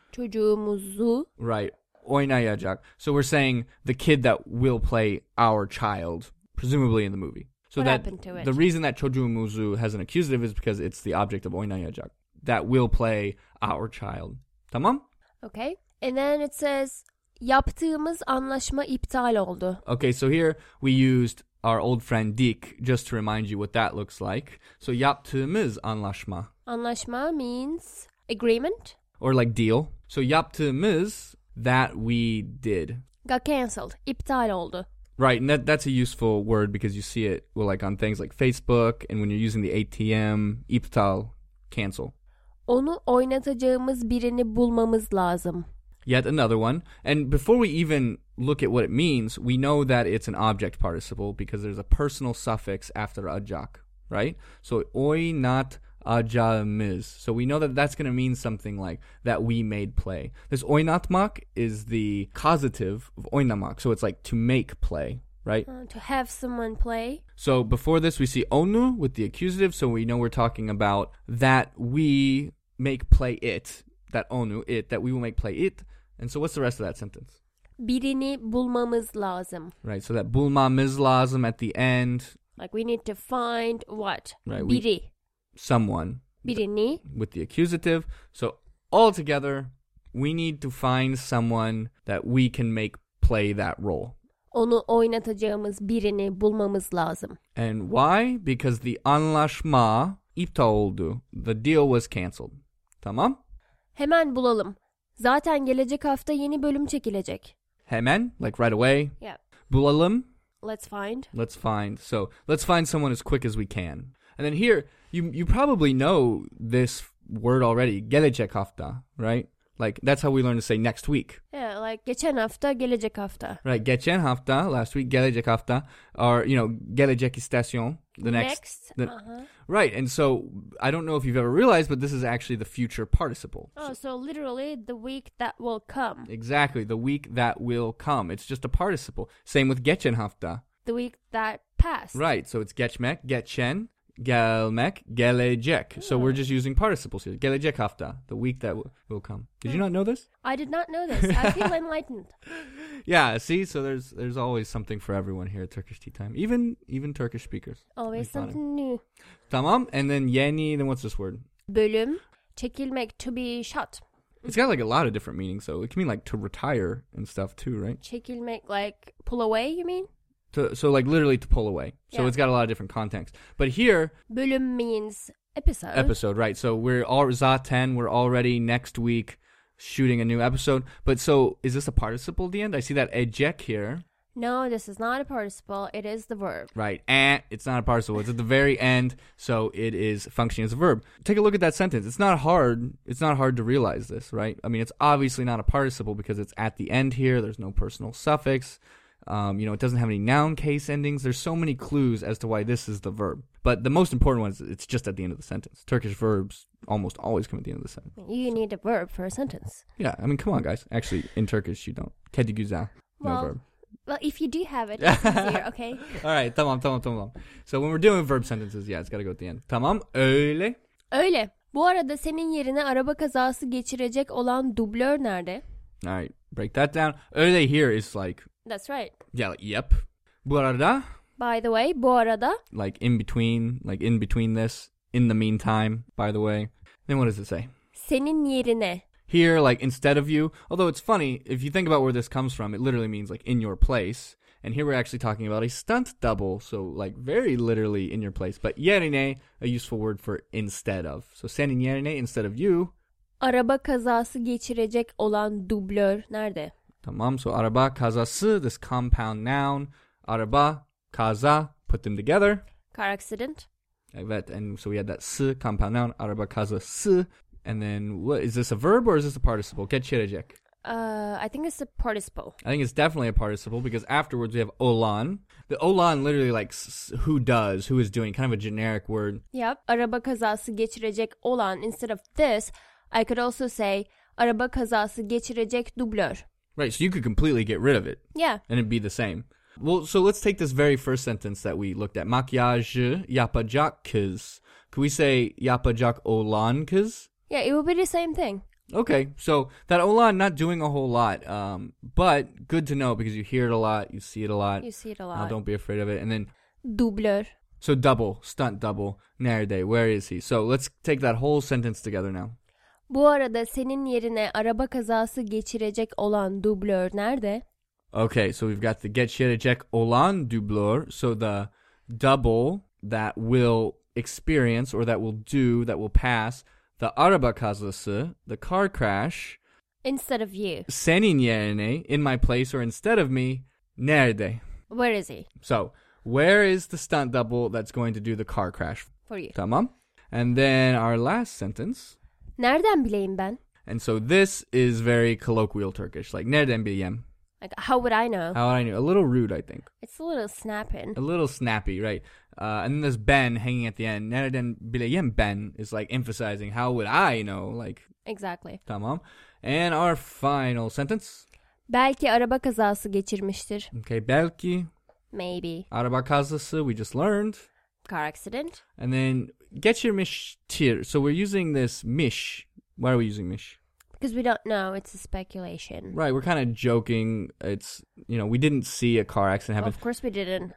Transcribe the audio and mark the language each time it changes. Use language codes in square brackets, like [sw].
[tr] Çocuğumuzu. [en] Right. [tr] Oynayacak. [en] So we're saying the kid that will play our child, presumably in the movie. So what that happened to it? The reason that çocuğumuzu has an accusative is because it's the object of oynayacak. That will play our child. [tr] Tamam? [en] Okay. And then it says, [tr] yaptığımız anlaşma iptal oldu. [en] Okay, so here we used our old friend Dick just to remind you what that looks like. [tr] So yaptığımız anlaşma. [en] Anlaşma means agreement. Or like deal. So yaptığımız, that we did. Got cancelled. [tr] İptal oldu. [en] Right, and that's a useful word because you see it, well, like on things like Facebook and when you're using the ATM, iptal, cancel. [tr] Onu oynatacağımız birini bulmamız lazım. [en] Yet another one. And before we even look at what it means, we know that it's an object participle because there's a personal suffix after acak, right? So oynatacağımız. So we know that that's going to mean something like that we made play. This oynatmak is the causative of oynamak. So it's like to make play, right? To have someone play. So before this, we see onu with the accusative. So we know we're talking about that we make play it. That onu, it, that we will make play it. And so what's the rest of that sentence? [tr] Birini bulmamız lazım. [en] Right, so that bulmamız lazım at the end. Like we need to find what? Right, [tr] biri. [en] Someone. [tr] Birini. [en] With the accusative. So all together, we need to find someone that we can make play that role. [tr] Onu oynatacağımız birini bulmamız lazım. [en] And why? Because the [tr] anlaşma iptal oldu. [en] The deal was canceled. Tamam? [tr] Hemen bulalım. Zaten gelecek hafta yeni bölüm çekilecek. [en] Hemen? Like right away? Yeah. [tr] Bulalım? [en] Let's find. Let's find. So let's find someone as quick as we can. And then here, you probably know this word already, [tr] gelecek hafta, [en] right? Like, that's how we learn to say next week. Yeah, like, [tr] geçen hafta, gelecek hafta. [en] Right, [tr] geçen hafta, [en] last week, [tr] gelecek hafta, [en] or, you know, [tr] gelecek istasyon, [en] the next. Uh-huh. Right, and so, I don't know if you've ever realized, but this is actually the future participle. Oh, so literally, the week that will come. Exactly, the week that will come. It's just a participle. Same with [tr] geçen hafta. [en] The week that passed. Right, so it's [tr] geçmek, geçen. Gelmek, gelecek. [en] So we're just using participles here. [tr] Gelecek hafta, [en] the week that will come. Did you not know this? I did not know this. I feel enlightened. Yeah, see? So there's always something for everyone here at Turkish Tea Time. Even Turkish speakers. Always something new. Tamam. And then yeni, then what's this word? [tr] Bölüm, çekilmek, [en] to be shot. It's got like a lot of different meanings, so it can mean like to retire and stuff too, right? Çekilmek, like pull away, you mean? So like literally to pull away. Yeah. So it's got a lot of different contexts. But here, bölüm means episode. Episode, right. So we're all zaten, we're already next week shooting a new episode. But so is this a participle at the end? I see that ecek here. No, this is not a participle. It is the verb. Right. And it's not a participle. It's at the very end. So it is functioning as a verb. Take a look at that sentence. It's not hard. It's not hard to realize this, right? I mean, it's obviously not a participle because it's at the end here. There's no personal suffix. You know, it doesn't have any noun case endings. There's so many clues as to why this is the verb. But the most important one is it's just at the end of the sentence. Turkish verbs almost always come at the end of the sentence. You need a verb for a sentence. Yeah. I mean, come on, guys. Actually, in Turkish, you don't. [tr] Kedi güzel. [en] No verb. Well, if you do have it, it's easier, okay? All right, tamam. So when we're doing verb sentences, yeah, it's got to go at the end. [tr] Tamam, öyle. Öyle. Bu arada senin yerine araba kazası geçirecek olan dublör nerede? [en] All right, break that down. Öyle here is like... That's right. Yeah, like, yep. [tr] Bu arada... [en] By the way, [tr] bu arada... [en] Like in between this, in the meantime, by the way. Then what does it say? [tr] Senin yerine... [en] Here, like, instead of you. Although it's funny, if you think about where this comes from, it literally means, like, in your place. And here we're actually talking about a stunt double. So, like, very literally in your place. But yerine, a useful word for instead of. So, [tr] senin yerine, [en] instead of you. [tr] Araba kazası geçirecek olan dublör nerede? [en] Tamam, so [tr] araba kazası, [en] this compound noun. Araba, kaza, put them together. Car accident. Evet, and so we had that s compound noun. [tr] Araba kazası. [en] And then, what is this a verb or is this a participle? [tr] Geçirecek. [en] I think it's a participle. I think it's definitely a participle because afterwards we have olan. The olan literally like who does, who is doing, kind of a generic word. Yep. [tr] Araba kazası geçirecek olan. [en] Instead of this, I could also say [tr] araba kazası geçirecek dublör. [en] Right. So you could completely get rid of it. Yeah. And it'd be the same. Well, so let's take this very first sentence that we looked at. [tr] Makyaj yapacak kız. [en] Could we say [tr] yapacak olan kız? [en] Yeah, it will be the same thing. Okay, so that olan not doing a whole lot, but good to know because you hear it a lot, you see it a lot. You see it a lot. Don't be afraid of it. And then... [tr] Dublör. [en] So double, stunt double. Nerede, where is he? So let's take that whole sentence together now. [tr] Bu arada senin yerine araba kazası geçirecek olan dublör nerede? [en] Okay, so we've got the geçirecek olan dublör. So the double that will experience or that will do, that will pass... The [tr] araba kazası, [en] the car crash. Instead of you. [tr] Senin yerine, [en] in my place or instead of me, nerede? Where is he? So, where is the stunt double that's going to do the car crash? For you. Tamam. And then our last sentence. [tr] Nereden bileyim ben? [en] And so this is very colloquial Turkish, like [tr] nereden bileyim? [en] Like, how would I know? How would I know? A little rude, I think. It's a little snapping. A little snappy, right. And then there's ben hanging at the end. [tr] Nereden bileyim ben [en] is like emphasizing how would I know, like. Exactly. Tamam. And our final sentence. [tr] Belki araba kazası geçirmiştir. [en] Okay, belki. Maybe. [tr] Araba kazası, [en] we just learned. Car accident. And then geçirmiştir. So we're using this miş. Why are we using miş? Because we don't know. It's a speculation. Right. We're kind of joking. It's, you know, we didn't see a car accident happen. Well, of course we didn't.